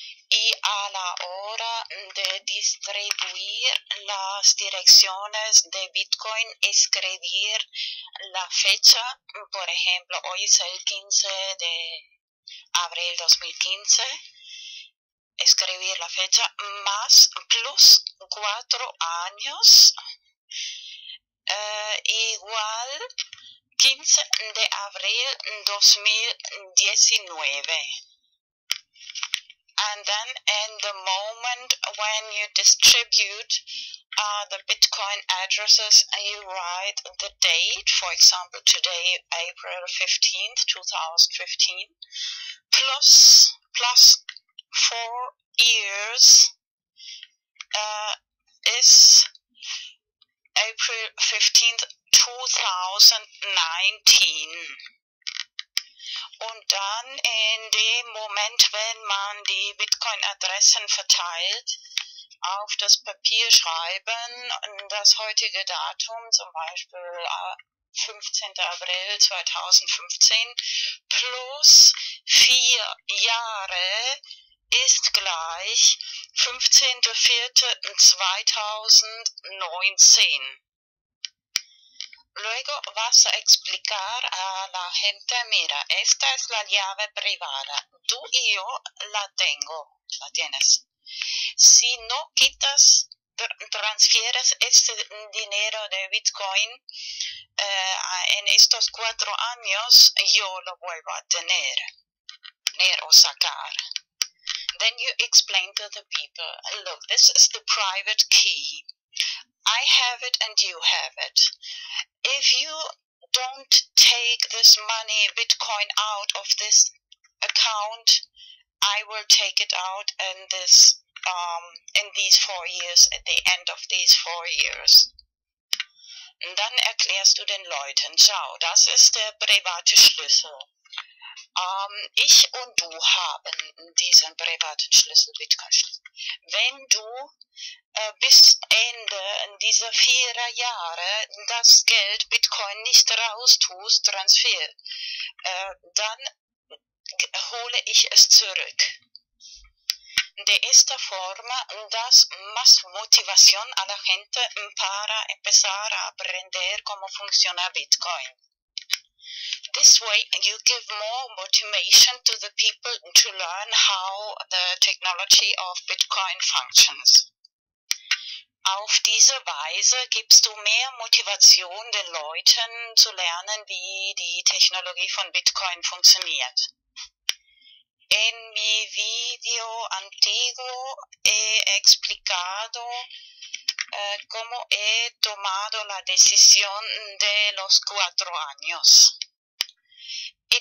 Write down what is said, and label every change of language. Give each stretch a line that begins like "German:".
Spanish: Y a la hora de distribuir las direcciones de Bitcoin, escribir la fecha, por ejemplo, hoy es el 15 de abril 2015, escribir la fecha más plus 4 años, igual 15 de abril 2019.
English: And then in the moment when you distribute the Bitcoin addresses, you write the date, for example, today, April 15th, 2015, plus 4 years is April 15th, 2019.
German: Und dann in dem Moment, wenn man die Bitcoin-Adressen verteilt, auf das Papier schreiben, das heutige Datum, zum Beispiel 15. April 2015, plus 4 Jahre ist gleich 15.04.2019.
Spanish: Luego vas a explicar a la gente, mira, esta es la llave privada. Tú y yo la tengo, la tienes. Si no quitas, transfieres este dinero de Bitcoin, en estos 4 años, yo lo vuelvo a tener o sacar.
English: Then you explain to the people, look, this is the private key. I have it and you have it. If you don't take this money, Bitcoin, out of this account, I will take it out in this, in these 4 years, at the end of these 4 years.
German: Und dann erklärst du den Leuten, schau, das ist der private Schlüssel. Ich und du haben diesen privaten Schlüssel, Bitcoin-Schlüssel. Wenn du bis Ende dieser 4 Jahre das Geld Bitcoin nicht raus tust, Transfer, dann hole ich es zurück.
Spanish: De esta forma das más motivación a la gente para empezar a aprender cómo funciona Bitcoin.
English: This way you give more motivation to the people to learn how the technology of Bitcoin functions.
German: Auf diese Weise gibst du mehr Motivation den Leuten zu lernen, wie die Technologie von Bitcoin funktioniert.
Spanish: En mi video antiguo he explicado cómo he tomado la decisión de los 4 años. Y